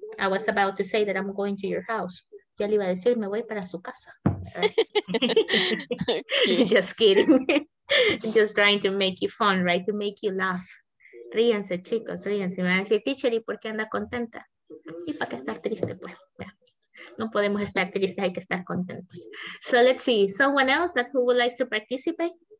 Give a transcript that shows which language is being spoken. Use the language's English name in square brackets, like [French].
[English] I was about to say that I'm going to your house. [Spanish] Ya le iba a decir, me voy para su casa. [English] Okay. Just kidding. Just trying to make you fun, right? To make you laugh. [Spanish] Ríanse, chicos, ríanse. Me van a decir, teacher, ¿y por qué anda contenta? ¿Y para qué estar triste, pues? No podemos estar tristes, hay que estar contentos. [English] So let's see. Someone else that who would like to participate?